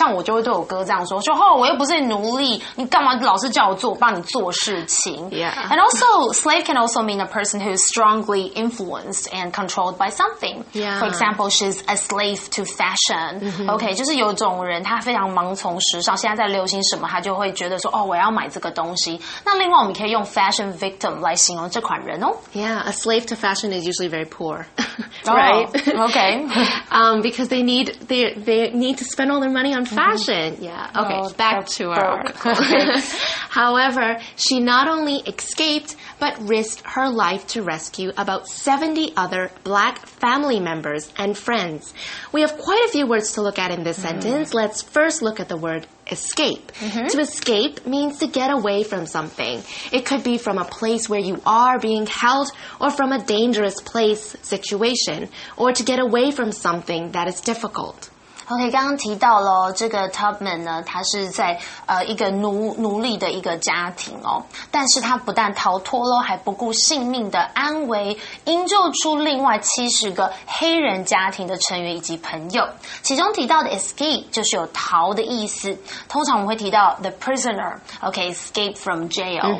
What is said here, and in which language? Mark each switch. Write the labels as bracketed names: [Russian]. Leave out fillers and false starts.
[Chinese] 像我就会对我哥这样说，说哦，我又不是奴隶，你干嘛老是叫我做，帮你做事情 [English] ？Yeah. And also, slave can also mean a person who is strongly influenced and controlled by something. Yeah. For example, she's a slave to fashion.、 Mm-hmm. [Chinese] OK, 就是有种人，他非常盲从时尚，现在在流行什么，他就会觉得说哦，我要买这个东西。那另外我们可以用 fashion victim 来形容这款人哦。 [English] Yeah, a slave to fashion is usually very poor, right? Oh, okay. because they need to spend all their money on fashion.、Mm-hmm. Yeah, okay, oh, back to our article. However, she not only escaped, but risked her life to rescue about 70 other black family members and friends. We have quite a few words to look at in this、mm-hmm. sentence. Let's first look at the word escape.、 Mm-hmm. To escape means to get away from something. It could be from a place where you are being held or from a dangerous place situation, or to get away from something that is difficult. [Chinese] OK, 刚刚提到了这个 Tubman 呢，他是在一个奴隶的一个家庭哦，但是他不但逃脱了，还不顾性命的安危，营救出另外70个黑人家庭的成员以及朋友。其中提到的 escape 就是有逃的意思，通常我们会提到 [English] the prisoner, OK, escape from jail,、